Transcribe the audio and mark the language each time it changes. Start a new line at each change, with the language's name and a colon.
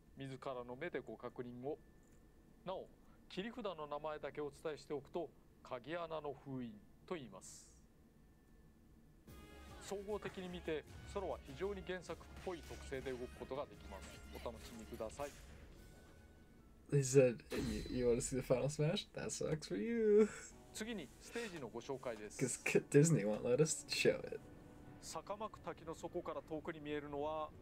Japanese: 自らの目でご確認を。なお切り札の名前だけお伝えしておくと鍵穴の封印と言います。総合的に見てソロは非常に原作っぽい特性で動くことができます。お楽しみください。
English: He said you want to see the final smash? That sucks for you.
Japanese: 次にステージのご紹介です。
English: Because Disney won't let us show it.
Japanese: 坂巻滝の底から遠くに見えるのは